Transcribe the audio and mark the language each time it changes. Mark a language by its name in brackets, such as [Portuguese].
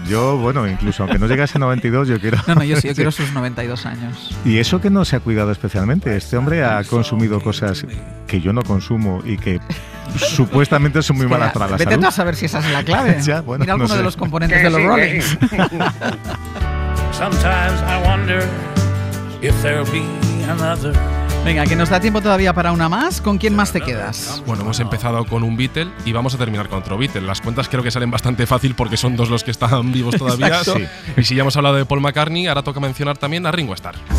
[Spanish] Yo, bueno, incluso aunque no llegase a 92, yo quiero... No, yo sí, yo quiero sus 92 años. Y eso que no se ha cuidado especialmente. Este hombre ha consumido cosas que yo no consumo y que supuestamente son muy malas para la salud. Vete tú a saber si esa es la clave. Ya, bueno, mira alguno de los componentes de los Rolling. [English] Sometimes I wonder if there'll be another. [Spanish] Venga, que nos da tiempo todavía para una más. ¿Con quién más te quedas? Bueno, hemos empezado con un Beatle y vamos a terminar con otro Beatle. Las cuentas creo que salen bastante fácil porque son dos los que están vivos todavía. Sí. Y si ya hemos hablado de Paul McCartney, ahora toca mencionar también a Ringo Starr.